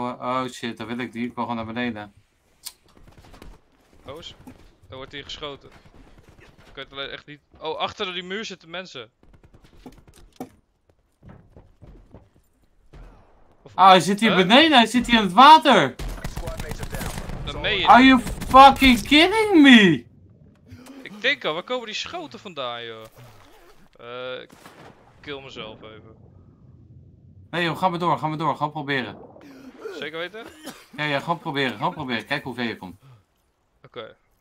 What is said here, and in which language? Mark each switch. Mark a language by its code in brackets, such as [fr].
[nl] Oh shit, dat wil ik niet. Ik wil gewoon naar beneden. Oos, daar wordt hier geschoten. Ik weet alleen echt niet... Oh, achter die muur zitten mensen. Ah, hij zit hier beneden. Hij zit hier in het water. Meen je? [en] Are you fucking kidding me? [nl] Ik denk al, waar komen die schoten vandaan, joh? Ik kill mezelf even. Nee joh, ga maar door, gewoon proberen. Zeker weten? Ja, gewoon proberen, kijk hoe ver je komt. Oké. Okay.